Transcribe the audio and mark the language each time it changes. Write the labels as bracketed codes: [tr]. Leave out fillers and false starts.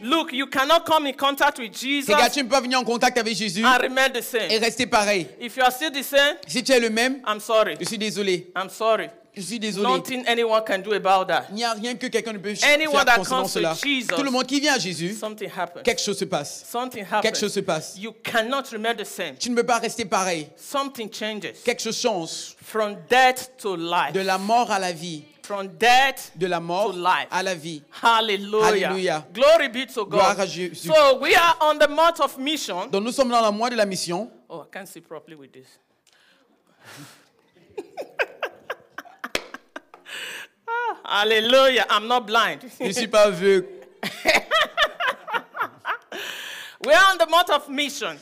[en] Look, you cannot come in contact with Jesus. [fr] Regarde, tu ne peux pas venir en contact avec Jésus. [en] And remain the same. [fr] Et rester pareil. [en] If you are still the same, [fr] si tu es le même, [en] I'm sorry. [fr] Je suis désolé. [en] I'm sorry. [fr] Je suis désolé. [en] Nothing anyone can do about that. [fr] Il n'y a rien que quelqu'un ne peut [en] anyone [fr] faire [en] that comes [fr] cela. [en] To Jesus, [fr] tout le monde qui vient à Jésus, [en] something happens. [fr] Quelque chose se passe. [en] Something happens. [fr] Quelque chose se passe. [en] You cannot remain the same. [fr] Tu ne peux pas rester pareil. [en] Something changes. [fr] Quelque chose change. [en] From death to life. [fr] De la mort à la vie. [en] From death [fr] de la mort [en] to life. [fr] À la vie. [en] Hallelujah. [fr] Hallelujah. [en] Glory be to God. [fr] Gloire à Dieu. [en] So we are on the month of mission. [fr] Donc nous sommes dans le mois de la mission. [en] Oh, I can't see properly with this. Hallelujah. I'm not blind. [fr] Je suis pas aveugle. [en] We are on the month of mission.